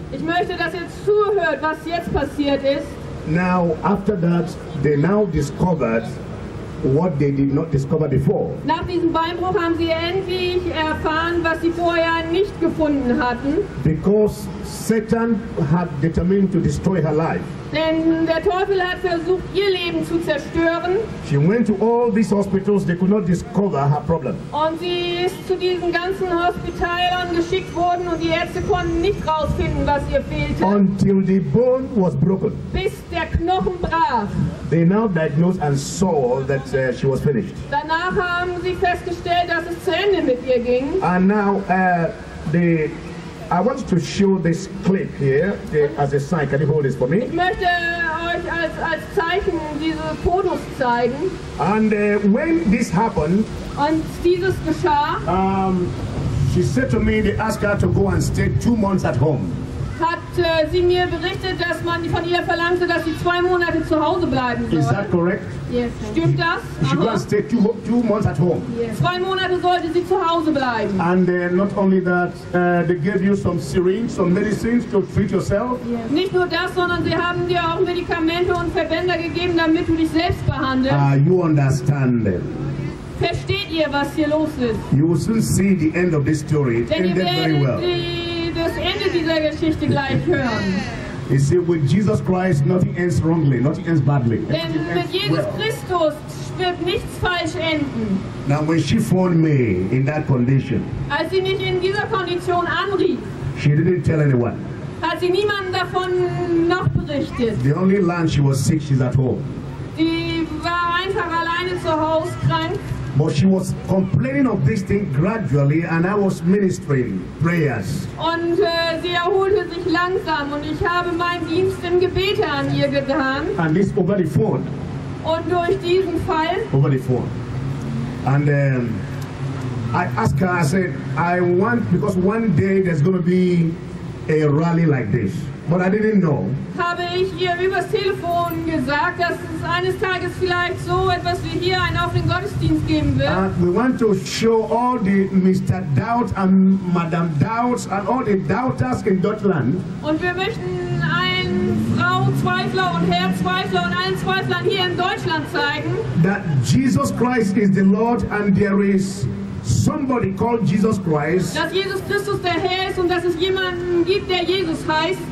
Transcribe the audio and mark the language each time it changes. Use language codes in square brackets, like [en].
[de] Ich möchte, dass ihr zuhört, was jetzt passiert ist. [en] Now, after that, they now discovered what they did not discover before. [de] Nach diesem Beinbruch haben sie endlich erfahren, was sie vorher nicht gefunden hatten. [en] Because Satan had determined to destroy her life. [de] Denn der Teufel hat versucht, ihr Leben zu zerstören. [en] She went to all these hospitals, they could not discover her problem. [de] Und sie ist zu diesen ganzen Hospitalen geschickt worden und die Ärzte konnten nicht rausfinden, was ihr fehlte. [en] Until the bone was broken. [de] Bis der Knochen brach. [en] They now diagnosed and saw that she was finished. [de] Danach haben sie festgestellt, dass es zu Ende mit ihr ging. [en] And now I want to show this clip here as a sign. Can you hold this for me? [de] Ich möchte euch als Zeichen diese Fotos zeigen. [en] And when this happened, [de] und dieses geschah, [en] she said to me, they asked her to go and stay 2 months at home. [de] Hat sie mir berichtet, dass man von ihr verlangte, dass sie 2 Monate zu Hause bleiben soll. [en] Is that correct? Yes. [de] Stimmt das? [en] She go and stay two months at home. Yes. [de] 2 Monate sollte sie zu Hause bleiben. [en] And not only that, they gave you some syringes, some medicines to treat yourself. Yes. [de] Nicht nur das, sondern sie haben dir auch Medikamente und Verbände gegeben, damit du dich selbst behandelst. [en] You understand them. [de] Versteht ihr, was hier los ist? [en] You will soon see the end of this story. It ended very well. [de] Das Ende dieser Geschichte gleich hören. [en] You see, with Jesus Christ, nothing ends wrongly, nothing ends badly. [de] Denn mit Jesus Christus wird nichts falsch enden. [en] Now, when she phoned me in that condition, [de] als sie mich in dieser Kondition anrief, [en] she didn't tell anyone. [de] Hat sie niemanden davon noch berichtet. [en] The only land she was sick, she's at home. [de] Die war einfach alleine zu Hause krank. [en] But she was complaining of this thing gradually, and I was ministering prayers. [de] Und sie erholte sich langsam, und ich habe meinen Dienst im Gebete an ihr getan. [en] And this over the phone. [de] Und durch diesen Fall. [en] Over the phone. And I asked her. I said, I want, because one day there's going to be a rally like this. But I didn't know. [de] Habe ich ihr übers Telefon gesagt, dass es eines Tages vielleicht so etwas wie hier einen offenen Gottesdienst geben wird. [en] We want to show all the Mr. Doubt and Madam Doubts and all the doubters in Deutschland. [de] Und wir möchten allen Frauenzweifler und Herrzweifler und allen Zweiflern hier in Deutschland zeigen, [en] that Jesus Christ is the Lord and there is somebody called Jesus Christ. [de] Dass Jesus Christus der Herr ist und dass es jemanden gibt, der Jesus heißt.